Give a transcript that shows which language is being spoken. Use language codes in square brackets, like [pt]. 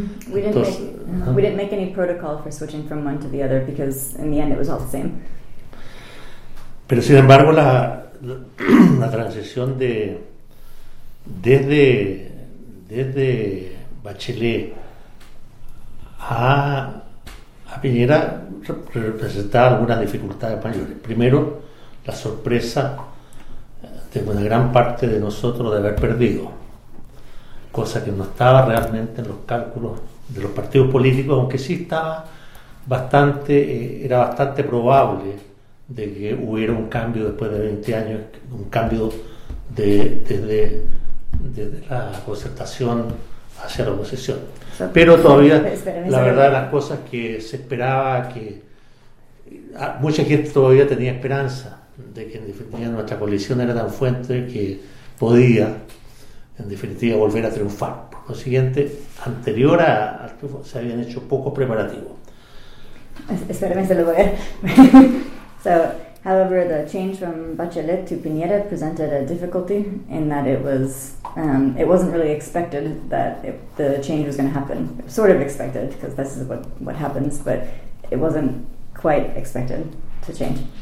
[en] We didn't make any protocol for switching from one to the other, because in the end it was all the same. [es] Pero sin embargo la transición de desde Bachelet a Piñera representaba algunas dificultades mayores. Primero, la sorpresa de una gran parte de nosotros de haber perdido, cosa que no estaba realmente en los cálculos de los partidos políticos, aunque sí estaba bastante, era bastante probable de que hubiera un cambio después de 20 años, un cambio desde la Concertación hacia la oposición. Pero todavía, la verdad de las cosas, que se esperaba que mucha gente todavía tenía esperanza de que en definitiva nuestra coalición era tan fuerte que podía en definitiva volver a triunfar. Por consiguiente, anterior al triunfo se habían hecho pocos preparativos. Espérame, se lo voy a ver. [en] So, however, the change from Bachelet to Piñera presented a difficulty in that it wasn't really expected that the change was going to happen. Sort of expected, because this is what happens, but it wasn't quite expected to change.